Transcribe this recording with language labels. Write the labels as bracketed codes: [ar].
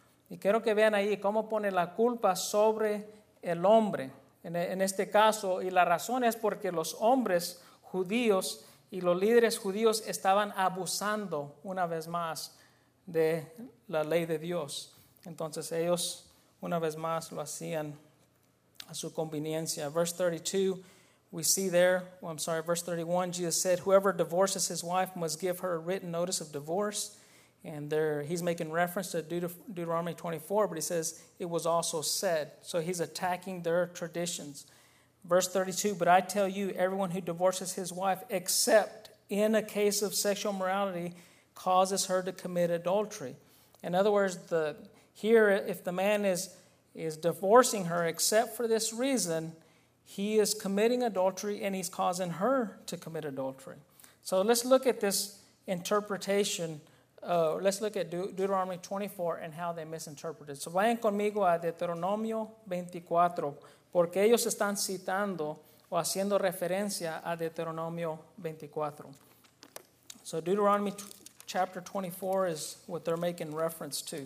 [es] Y quiero que vean ahí cómo pone la culpa sobre el hombre en este caso, y la razón es porque los hombres judíos y los líderes judíos estaban abusando una vez más de la ley de Dios. Entonces ellos una vez más lo hacían a su conveniencia. [en] Verse 32, we see there, well, I'm sorry, verse 31, Jesus said, whoever divorces his wife must give her a written notice of divorce. And there, he's making reference to Deuteronomy 24, but he says, it was also said. So he's attacking their traditions. Verse 32, but I tell you, everyone who divorces his wife, except in a case of sexual immorality, causes her to commit adultery. In other words, if the man is divorcing her, except for this reason, he is committing adultery and he's causing her to commit adultery. So let's look at this interpretation. Let's look at Deuteronomy 24 and how they misinterpreted. [es] So vayan conmigo a Deuteronomio 24, porque ellos están citando o haciendo referencia a Deuteronomio 24. [en] So Deuteronomy chapter 24 is what they're making reference to.